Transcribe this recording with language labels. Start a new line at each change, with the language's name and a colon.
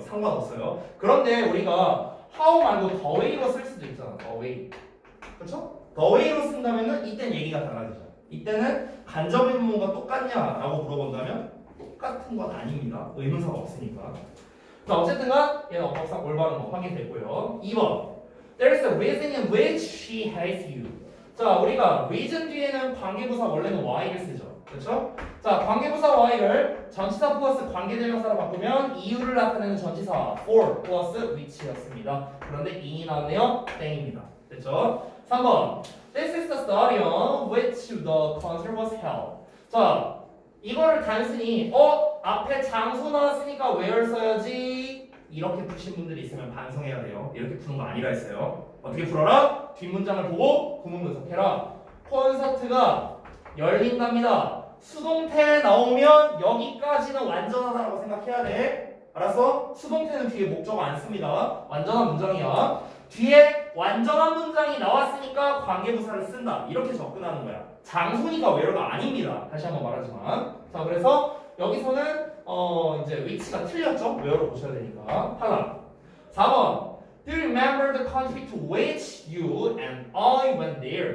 Korean: 상관없어요. 그런데 우리가 how 말고 the way로 쓸 수도 있잖아. the way. 그렇죠? the way로 쓴다면은 이때는 얘기가 달라지죠. 이때는 간접 의문문과 똑같냐라고 물어본다면 똑같은 건 아닙니다. 의문사가 없으니까. 자, 어쨌든간 얘는 법상 올바른 거 확인됐고요. 2번.
English: There's a reason in which she hates you.
Korean: 자, 우리가 reason 뒤에는 관계부사 원래는 why를 쓰죠. 그렇죠? 자, 관계부사 why를 전치사 플러스 관계대명사로 바꾸면 이유를 나타내는 전치사 for 플러스 which였습니다. 그런데 in이 나왔네요. 땡입니다. 됐죠? 3번.
English: This is the study on which the concert was held.
Korean: 자, 이거를 단순히 앞에 장소 나왔으니까 where 써야지 이렇게 푸신 분들이 있으면 반성해야 돼요. 이렇게 푸는 거 아니라 했어요. 어떻게 풀어라? 뒷문장을 보고 구문 분석해라. 콘서트가 열린답니다. 수동태 나오면 여기까지는 완전하다고 생각해야 돼. 알았어? 수동태는 뒤에 목적어 안 씁니다. 완전한 문장이야. 뒤에 완전한 문장이 나왔으니까 관계부사를 쓴다. 이렇게 접근하는 거야. 장소니까 외로가 아닙니다. 다시 한번 말하지만. 자, 그래서 여기서는 이제 위치가 틀렸죠? 외로 보셔야 되니까. 하나. 4번.
English: Do you remember the country to which you and I went there?